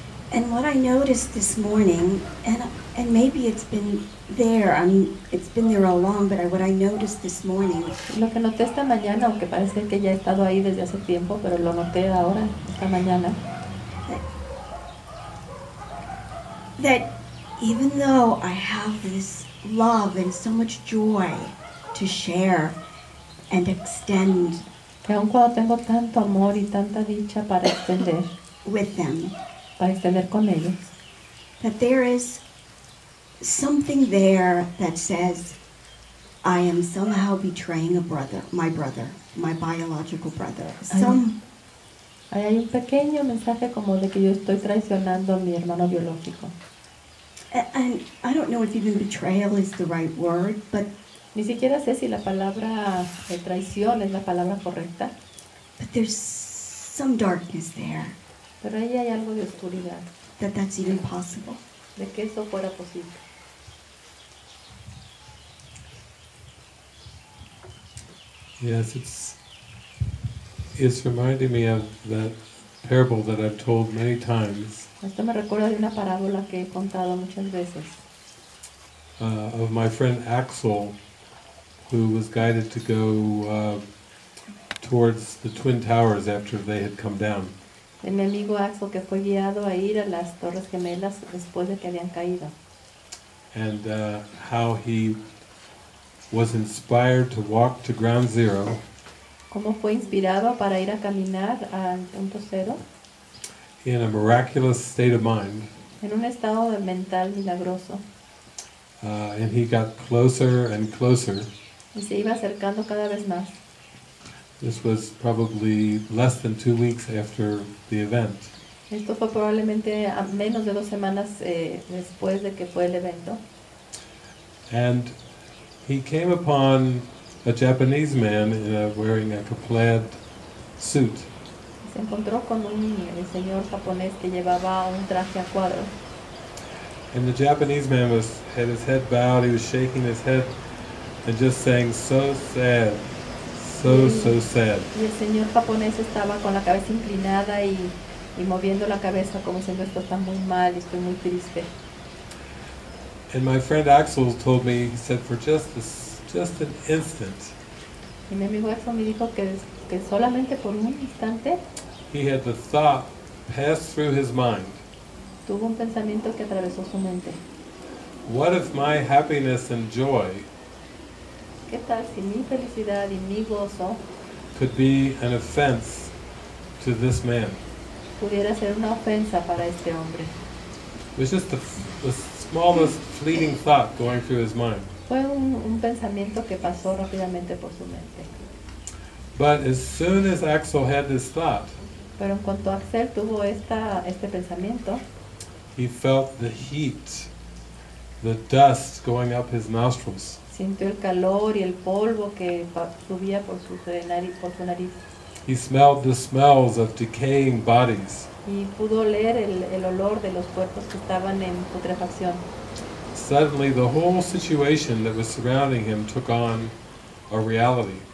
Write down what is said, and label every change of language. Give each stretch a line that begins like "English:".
English: And what I noticed this morning, and maybe it's been there, it's been there all along, but what I noticed this morning.
Spanish: Lo que noté esta mañana, aunque parece que ya he estado ahí desde hace tiempo, pero lo noté ahora, esta mañana.
English: That even though I have this love and so much joy to share and extend.
Spanish: Que aun cuando tengo tanto amor y tanta dicha para extender.
English: With them.
Spanish: Para extender con ellos.
English: That there is something there that says I am somehow betraying a brother, my brother, my biological brother.
Spanish: Hay un pequeño mensaje como de que yo estoy traicionando a mi hermano biológico.
English: And I don't know if even betrayal is the right word, but
Spanish: ni siquiera sé si la palabra traición es la palabra correcta.
English: But there's some darkness there.
Spanish: Pero ahí hay algo de oscuridad.
English: That that's even possible.
Spanish: De que eso fuera posible.
English: Yes, it's reminding me of that parable that I've told many times.
Spanish: Esto me recuerda de una parábola que he contado muchas veces.
English: Of my friend Axel, who was guided to go towards the Twin Towers after they had come down.
Spanish: De mi amigo Axel que fue guiado a ir a las Torres Gemelas después de que habían caído.
English: And how he was inspired to walk to ground zero.
Spanish: ¿Cómo fue inspirado para ir a caminar al punto cero?
English: In a miraculous state of mind.
Spanish: En un estado mental milagroso.
English: And he got closer and closer.
Spanish: Y se iba acercando cada vez más.
English: This was probably less than 2 weeks after the event.
Spanish: Esto fue probablemente a menos de dos semanas después de que fue el evento.
English: And he came upon a Japanese man wearing a plaid suit.
Spanish: Se encontró con un señor japonés que llevaba un traje a cuadro.
English: And the Japanese man had his head bowed, he was shaking his head and just saying, so sad, so sad.
Spanish: Y el señor japonés estaba con la cabeza inclinada y moviendo la cabeza como diciendo esto está muy mal, estoy muy triste.
English: And my friend Axel told me, he said, for just an instant.
Spanish: Y mi amigo Axel me dijo que solamente por un instante.
English: He had the thought pass through his mind.
Spanish: Tuvo un pensamiento que atravesó su mente.
English: What if my happiness and joy?
Spanish: ¿Qué tal si mi felicidad y mi gozo?
English: Could be an offense to this man.
Spanish: Pudiera ser una ofensa para este hombre.
English: It was just the smallest fleeting thought going through his mind.
Spanish: Fue un pensamiento que pasó rápidamente por su mente.
English: But as soon as Axel had this thought,
Spanish: pero en cuanto Axel tuvo este pensamiento,
English: he felt the heat, the dust going up his nostrils.
Spanish: Sintió el calor y el polvo que subía por su nariz.
English: He smelled the smells of decaying bodies.
Spanish: Y pudo oler el olor de los cuerpos que estaban en putrefacción.
English: Suddenly, the whole situation that was surrounding him took on a reality.